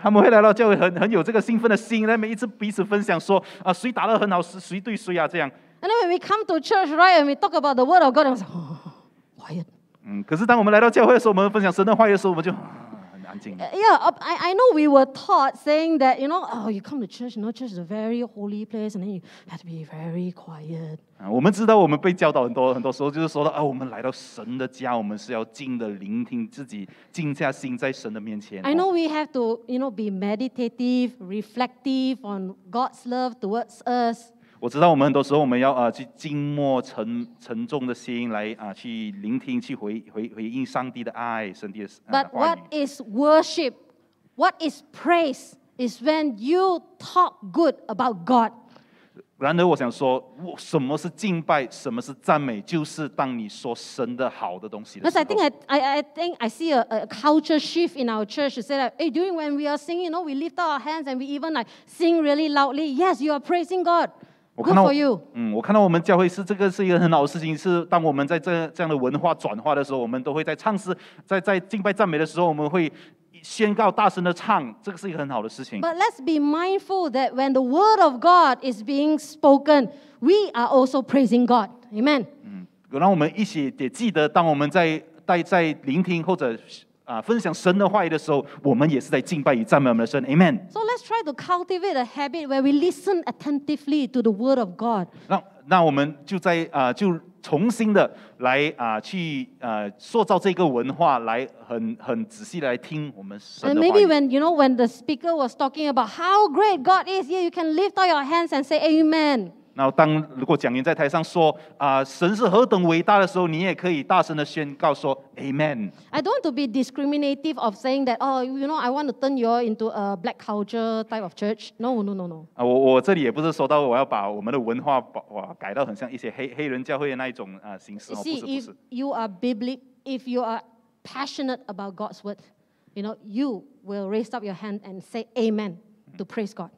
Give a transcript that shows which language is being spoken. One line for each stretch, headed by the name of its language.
Chinese: 他们会来到教会很有这个兴奋的心，他们一直彼此分享说谁打得很好，谁对谁啊这样。
English: And then when we come to church, right, and we talk about the word of God, I'm like, quiet.
Chinese: 可是当我们来到教会的时候，我们分享神的话语的时候，我们就。
English: Yeah, I know we were taught saying that, you know, oh, you come to church, you know, church is a very holy place, and then you have to be very quiet.
Chinese: 我们知道我们被教导很多时候就是说到我们来到神的家，我们是要静的聆听自己，静下心在神的面前。
English: I know we have to, you know, be meditative, reflective on God's love towards us.
Chinese: 我知道我们很多时候我们要去静默沉重的心来去聆听去回应上帝的爱神的话语。
English: But what is worship? What is praise? Is when you talk good about God.
Chinese: 然而我想说，什么是敬拜，什么是赞美，就是当你说神的好的东西的时候。
English: But I think I see a culture shift in our church to say that, hey, during when we are singing, you know, we lift our hands and we even like sing really loudly. Yes, you are praising God. Good for you.
Chinese: 我看到我们教会是这个是一个很好的事情，是当我们在这样的文化转化的时候，我们都会在唱诗，在敬拜赞美的时候，我们会宣告大声的唱，这个是一个很好的事情。
English: But let's be mindful that when the word of God is being spoken, we are also praising God. Amen.
Chinese: 让我们一起也记得，当我们在聆听或者分享神的话语的时候，我们也是在敬拜与赞美我们的神。
English: Amen. So let's try to cultivate a habit where we listen attentively to the word of God.
Chinese: 那我们就在就重新的来去塑造这个文化，来很仔细来听我们神的话语。
English: And maybe when you know when the speaker was talking about how great God is, yeah, you can lift up your hands and say Amen.
Chinese: 然后当如果讲员在台上说啊、神是何等伟大的时候，你也可以大声的宣告说 Amen。
English: I don't want to be discriminative of saying that. Oh, you know, I want to turn you all into a black culture type of church. No, no, no, no.
Chinese: 啊，我这里也不是说到我要把我们的文化哇改到很像一些黑人教会的那一种啊、形式。
English: See,
Chinese: 不是
English: if you are if you are passionate about God's word, you know, you will raise up your hand and say Amen to praise God.